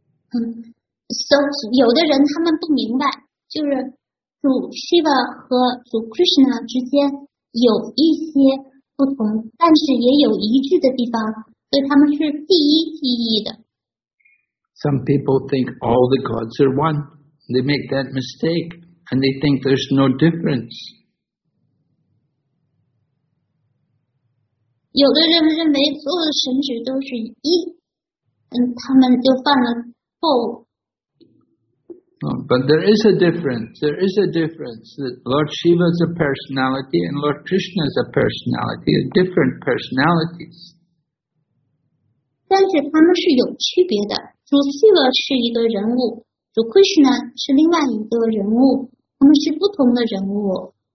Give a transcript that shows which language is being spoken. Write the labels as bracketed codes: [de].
[zh] So, 有的人他们不明白，就是主 Shiva 和主 Krishna 之间有一些不同，但是也有一致的地方，所以他们是第一记忆的。 [en] Some people think all the gods are one. They make that mistake, and they think there's no difference. [zh] 有的人认为所有的神只都是一，他们就犯了错误。 [en] No, but there is a difference. There is a difference that Lord Shiva is a personality and Lord Krishna is a personality, a different personalities. [zh] 但是他们是有区别的。主 Shiva 是一个人物，主 Krishna 是另外一个人物，他们是不同的人物。